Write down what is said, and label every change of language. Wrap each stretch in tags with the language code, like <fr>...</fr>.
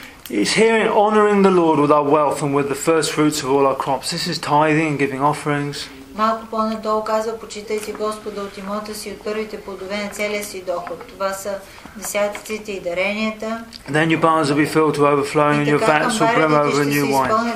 <en>It's here honoring the Lord with our wealth and with the first fruits of all our crops. This is tithing and giving offerings.</en> <bg>Малко по-надолу казва, почитайте Господа от имота си, от първите плодове на целия си доход. Това са десятците и даренията.</bg> <en>And then your barns will be filled to overflowing and your vats will brim over new wine.</en>